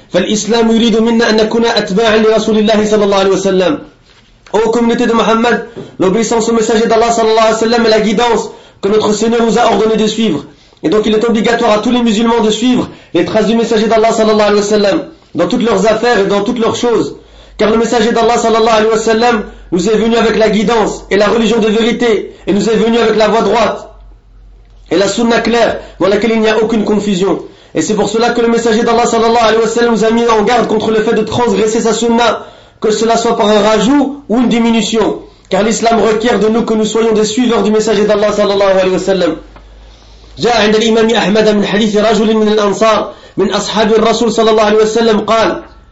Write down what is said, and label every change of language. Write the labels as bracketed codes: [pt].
[ar] فالإسلام يريد منا أن نكون أتباعا لرسول الله صلى الله عليه وسلم. [fr] أو communauté de محمد، l'obéissance au messager d'Allah صلى الله عليه وسلم est la guidance que notre Seigneur nous a ordonné de suivre. Et donc il est obligatoire à tous les musulmans de suivre les traces du messager d'Allah صلى الله عليه وسلم dans toutes leurs affaires et dans toutes leurs choses. Car le messager d'Allah صلى الله عليه وسلم nous est venu avec la guidance et la religion de vérité et nous est venu avec la voie droite et la sunna claire dans laquelle il n'y a aucune confusion. Et c'est pour cela que le messager d'Allah sallallahu alayhi wa sallam nous a mis en garde contre le fait de transgresser sa sunna, que cela soit par un rajout ou une diminution. car l'islam requiert de nous que nous soyons des suiveurs du messager d'Allah sallallahu alayhi wa sallam. [ar] جاء عند الإمام أحمد من حديث رجل من الأنصار من أصحاب الرسول صلى الله عليه وسلم قال